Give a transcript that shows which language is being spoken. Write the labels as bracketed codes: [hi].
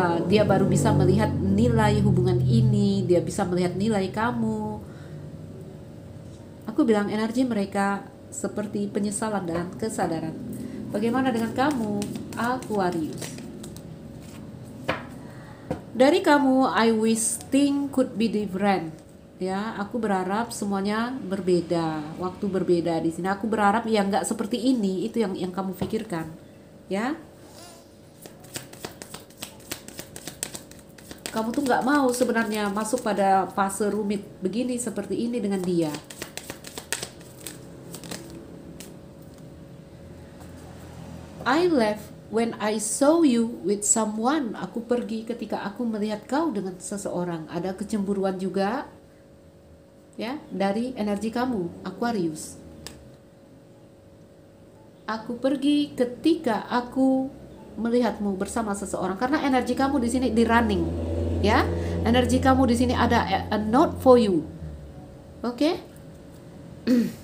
[id] Dia baru bisa melihat nilai hubungan ini, dia bisa melihat nilai kamu. Aku bilang energi mereka seperti penyesalan dan kesadaran. Bagaimana dengan kamu, Aquarius? Dari kamu, [en] I wish things could be different. [id] Ya, aku berharap semuanya berbeda, waktu berbeda di sini. Aku berharap ya nggak seperti ini, itu yang kamu pikirkan. Ya. Kamu tuh nggak mau sebenarnya masuk pada fase rumit begini seperti ini dengan dia. [en] I left when I saw you with someone. [id] Aku pergi ketika aku melihat kau dengan seseorang. Ada kecemburuan juga, ya, dari energi kamu, Aquarius. Aku pergi ketika aku melihatmu bersama seseorang. Karena energi kamu di sini di running, ya. Energi kamu di sini ada [en] a note for you. [id] Oke? Okay?